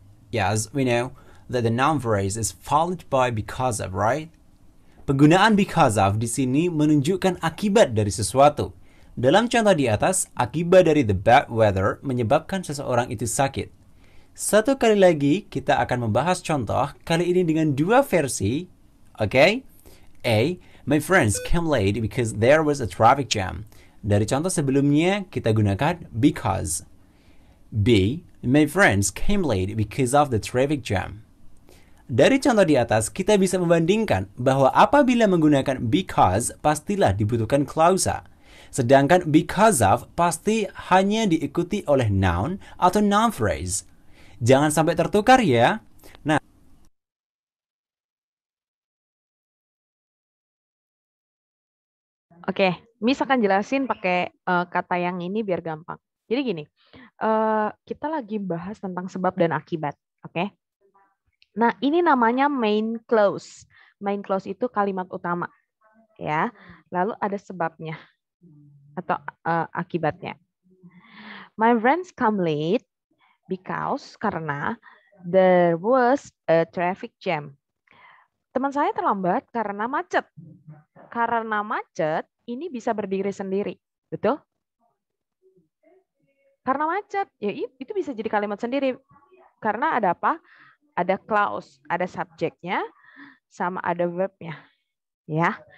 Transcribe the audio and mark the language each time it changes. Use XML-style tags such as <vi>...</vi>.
<en>Yes, we know that the noun phrase is followed by because of, right?</en> <id>Penggunaan because of di sini menunjukkan akibat dari sesuatu. Dalam contoh di atas, akibat dari the bad weather menyebabkan seseorang itu sakit. Satu kali lagi, kita akan membahas contoh, kali ini dengan dua versi. Okay? A.</id> <en>My friends came late because there was a traffic jam.</en> <id>Dari contoh sebelumnya, kita gunakan because.</id> <en>B. My friends came late because of the traffic jam.</en> <id>Dari contoh di atas, kita bisa membandingkan bahwa apabila menggunakan because, pastilah dibutuhkan klausa. Sedangkan because of pasti hanya diikuti oleh noun atau noun phrase. Jangan sampai tertukar ya. Nah, oke, misalkan jelasin pakai kata yang ini biar gampang. Jadi gini, kita lagi bahas tentang sebab dan akibat, oke? Nah, ini namanya main clause. Main clause itu kalimat utama, ya. Lalu ada sebabnya atau akibatnya.</id> <en>My friends come late because karena there was a traffic jam.</en> <id>Teman saya terlambat karena macet. Karena macet ini bisa berdiri sendiri, betul? Karena macet, ya itu bisa jadi kalimat sendiri. Karena ada apa? Ada clause, ada subjeknya, sama ada verbnya, ya.</id>